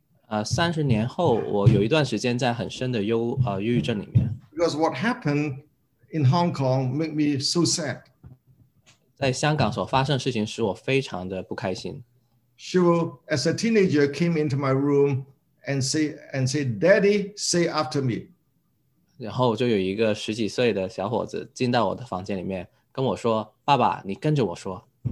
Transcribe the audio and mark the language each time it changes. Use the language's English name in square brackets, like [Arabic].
[Chinese] 30年后我有一段时间在很深的忧郁症里面。 [English] Because what happened in Hong Kong made me so sad. [Chinese] 在香港所发生的事情使我非常的不开心。 [English] She will, as a teenager, came into my room and say, Daddy, say after me. [Chinese] 然后就有一个十几岁的小伙子进到我的房间里面跟我说，爸爸，你跟着我说。